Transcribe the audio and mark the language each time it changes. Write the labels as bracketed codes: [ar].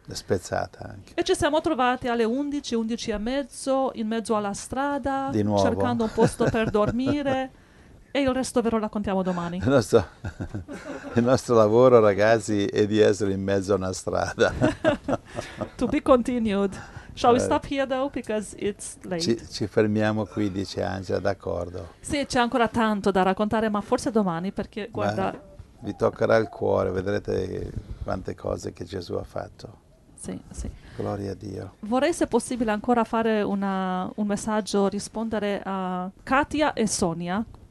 [it] Spezzata anche. E ci siamo trovati alle 11, 11 e mezzo, in mezzo alla strada. Di nuovo. Cercando un posto per dormire. E il resto ve lo raccontiamo domani. Il nostro lavoro, ragazzi, è di essere in mezzo a una strada. [en] To be continued. Shall we stop here, though, because it's late? [it] Ci fermiamo qui, dice Angela, d'accordo. Sì, c'è ancora tanto da raccontare, ma forse domani, perché, guarda... Ma vi toccherà il cuore, vedrete quante cose che Gesù ha fatto. Sì, sì. Gloria a Dio. Vorrei, se possibile, ancora fare un messaggio, rispondere a Katia e Sonia.